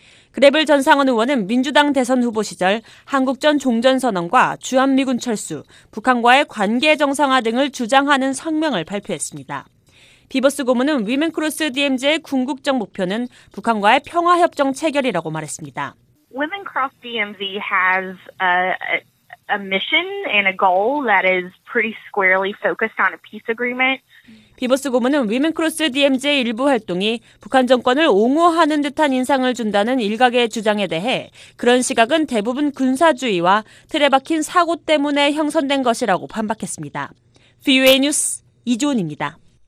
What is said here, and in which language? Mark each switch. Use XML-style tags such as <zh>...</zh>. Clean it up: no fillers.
<ko>그래블 전 상원 의원은 민주당 대선 후보 시절 한국전 종전선언과 주한미군 철수, 북한과의 관계 정상화 등을 주장하는 성명을 발표했습니다. 비버스 고문은 위민크로스 DMZ의 궁극적 목표는 북한과의 평화협정 체결이라고 말했습니다.</ko> <en>Womencross DMZ has a mission and a goal that is pretty squarely focused on a peace agreement.</en> <ko>비버스 고문은 위민크로스 DMZ의 일부 활동이 북한 정권을 옹호하는 듯한 인상을 준다는 일각의 주장에 대해 그런 시각은 대부분 군사주의와 틀에 박힌 사고 때문에 형성된 것이라고 반박했습니다. VOA 뉴스 이지훈입니다.</ko>